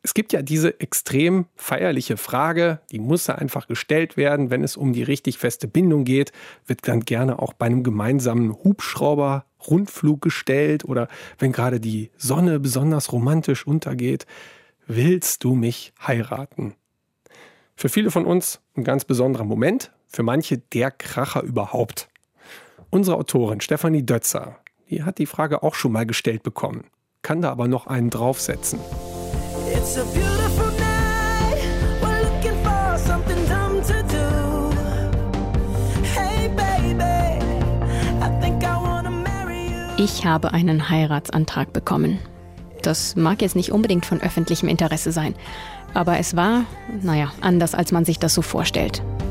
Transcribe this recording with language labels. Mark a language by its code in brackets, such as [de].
[de] Es gibt ja diese extrem feierliche Frage, die muss ja einfach gestellt werden, wenn es um die richtig feste Bindung geht, wird dann gerne auch bei einem gemeinsamen Hubschrauber-Rundflug gestellt oder wenn gerade die Sonne besonders romantisch untergeht, willst du mich heiraten? Für viele von uns ein ganz besonderer Moment, für manche der Kracher überhaupt. Unsere Autorin Stefanie Dötzer, die hat die Frage auch schon mal gestellt bekommen, kann da aber noch einen draufsetzen. [en] It's a beautiful night, we're looking for something dumb to do. Hey baby, I think I wanna marry you. [de] Ich habe einen Heiratsantrag bekommen. Das mag jetzt nicht unbedingt von öffentlichem Interesse sein, aber es war, naja, anders als man sich das so vorstellt.